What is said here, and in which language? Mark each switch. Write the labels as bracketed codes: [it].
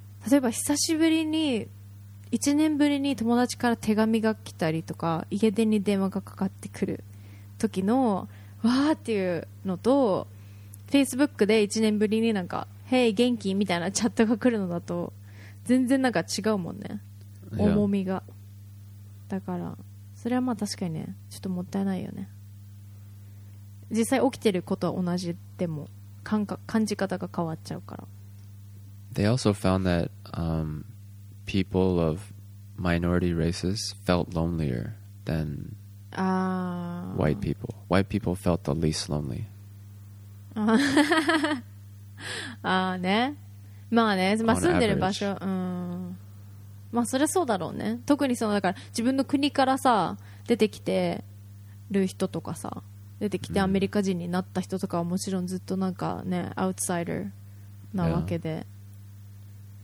[ja] 例えば久しぶりに1年ぶりに友達から手紙が来たりとか家電に電話がかかってくる時のわーっていうのと Facebook で1年ぶりになんか Hey 元気みたいなチャットが来るのだと全然なんか違うもんね、 [en] yeah. [ja] 重みが。だからそれはまあ確かにねちょっともったいないよね。実際起きてることは同じでも感じ方が変わっちゃうから。 [en] They also found that、people of minority races felt lonelier than white people. White people felt the least lonely. [ja] ああね、まあね、まあ、住んでる場所、うん、まあそれそうだろうね。特にそのだから自分の国からさ出てきてる人とかさ出てきてアメリカ人になった人とかはもちろんずっとなんかねアウトサイダーなわけで、 [en] yeah.